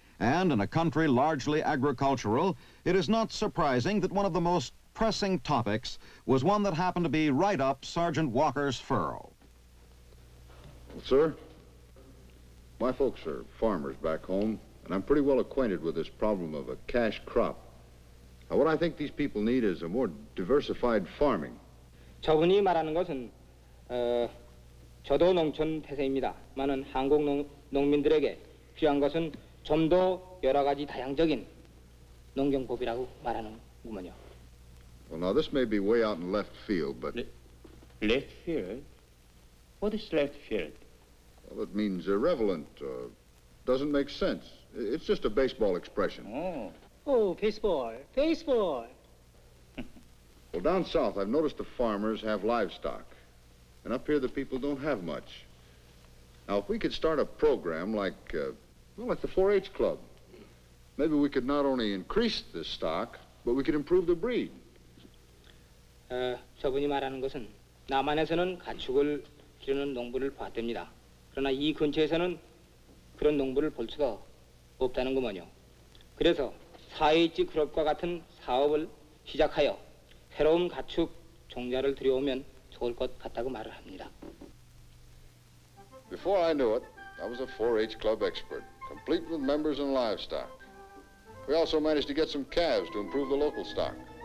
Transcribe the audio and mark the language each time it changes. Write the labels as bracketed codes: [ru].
[en] And in a country largely agricultural, it is not surprising that one of the most pressing topics was one that happened to be right up Sergeant Walker's furrow. Well, sir, my folks are farmers back home, and I'm pretty well acquainted with this problem of a cash crop. Now, what I think these people need is a more diversified farming. [ko] 저분이 말하는 것은 저도 농촌 태생입니다. 많은 한국 농민들에게 필요한 것은 좀 더 여러 가지 다양적인 농경법이라고 말하는구먼요. [en] Well, now this may be way out in left field, but left field? What is left field? Well, it means irrelevant. Doesn't make sense. It's just a baseball expression. Oh, baseball, baseball. Well, down south, I've noticed the farmers have livestock. And up here, the people don't have much. Now, if we could start a program like the 4-H Club, maybe we could not only increase the stock, but we could improve the breed. [ko] 저분이 말하는 것은 남한에서는 가축을 기르는 농부를 봤답니다. 그러나 이 근처에서는 그런 농부를 볼 수가 없다는구먼요. 그래서 사회지 그룹과 같은 사업을 시작하여 새로운 가축 종자를 들여오면 좋을 것 같다고 말을 합니다. [en] Before I knew it, I was a 4-H club expert, complete with members and livestock. We also managed to get some calves to improve the local stock.